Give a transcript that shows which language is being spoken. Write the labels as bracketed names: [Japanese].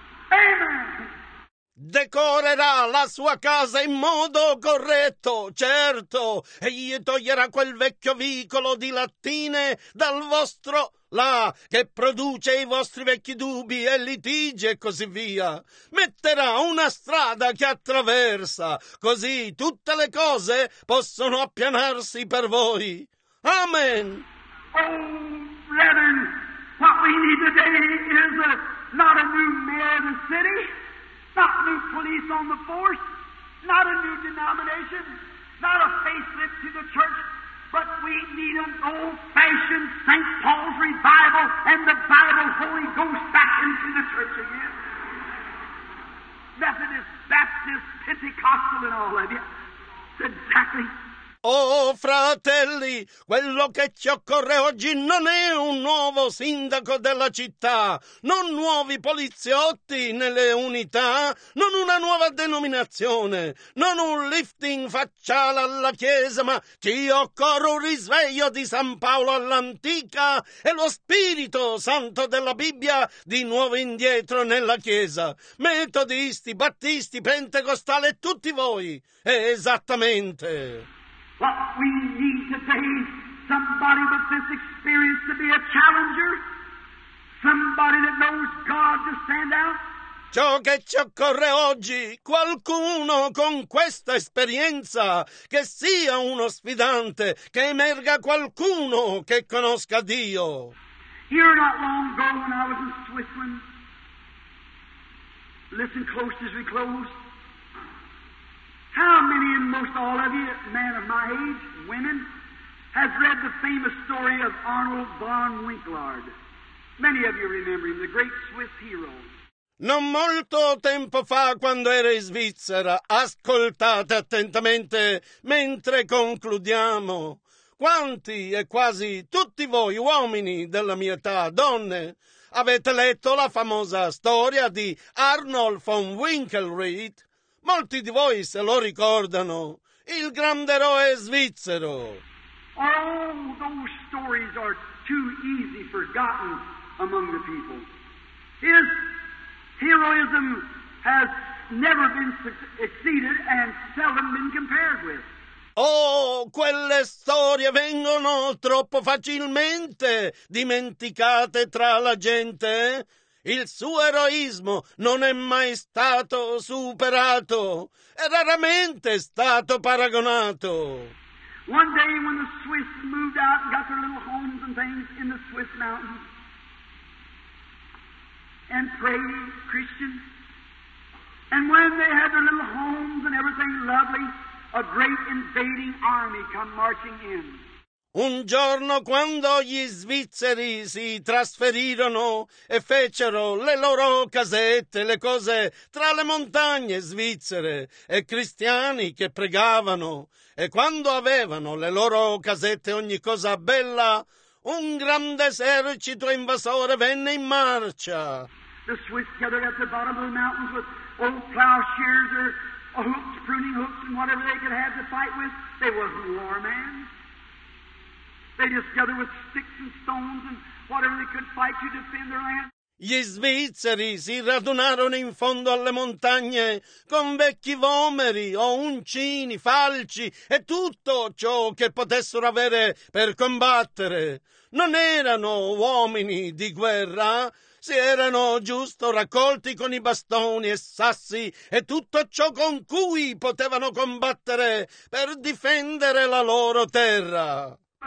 [Italian] Amen. Decorerà la sua casa in modo corretto, certo, e gli toglierà quel vecchio vicolo di lattine dal vostro là, che produce i vostri vecchi dubbi e litigi e così via. Metterà una strada che attraversa, così tutte le cose possono appianarsi per voi. Amen. [English] Oh, brethren, what we need today is not a new mayor of the city. Not new police on the force, not a new denomination, not a facelift to the church, but we need an old-fashioned St. Paul's revival and the Bible Holy Ghost back into the church again. Methodist, Baptist, Pentecostal and all of you. Exactly. [Italian] Oh, fratelli, quello che ci occorre oggi non è un nuovo sindaco della città, non nuovi poliziotti nelle unità, non una nuova denominazione, non un lifting facciale alla Chiesa, ma ci occorre un risveglio di San Paolo all'antica e lo Spirito Santo della Bibbia di nuovo indietro nella Chiesa. Metodisti, battisti, pentecostali, tutti voi. Esattamente. [English] What we need today, somebody with this experience to be a challenger, somebody that knows God to stand out. [Italian] Ciò che ci occorre oggi, qualcuno con questa esperienza, che sia uno sfidante, che emerga qualcuno che conosca Dio. [English] Here not long ago when I was in Switzerland, listen close as we close. How many and most all of you, men of my age, women, have read the famous story of Arnold von Winkelried? Many of you remember him, the great Swiss hero. [Italian] Non molto tempo fa, quando ero in Svizzera, ascoltate attentamente mentre concludiamo. Quanti e quasi tutti voi, uomini della mia età, donne, avete letto la famosa storia di Arnold von Winkelried? Molti di voi se lo ricordano, il grande eroe svizzero. [English] Oh, those stories are too easy forgotten among the people. His heroism has never been exceeded and seldom been compared with. [Italian] Oh, quelle storie vengono troppo facilmente dimenticate tra la gente. Il suo eroismo non è mai stato superato, è raramente stato paragonato. [English] One day when the Swiss moved out and got their little homes and things in the Swiss mountains and prayed Christians, and when they had their little homes and everything lovely, a great invading army come marching in. [Italian] Un giorno quando gli svizzeri si trasferirono e fecero le loro casette, le cose tra le montagne svizzere e cristiani che pregavano, e quando avevano le loro casette ogni cosa bella, un grande esercito invasore venne in marcia. [English] The Swiss gathered at the bottom of the mountains with old plowshares or hooks, pruning hooks, and whatever they could have to fight with. They wasn't war men. They just gathered with sticks and stones and whatever they could fight to defend their land. [Italian] Gli svizzeri si radunarono in fondo alle montagne con vecchi vomeri, uncini, falci e tutto ciò che potessero avere per combattere. Non erano uomini di guerra, si erano giusto raccolti con i bastoni e sassi e tutto ciò con cui potevano combattere per difendere la loro terra.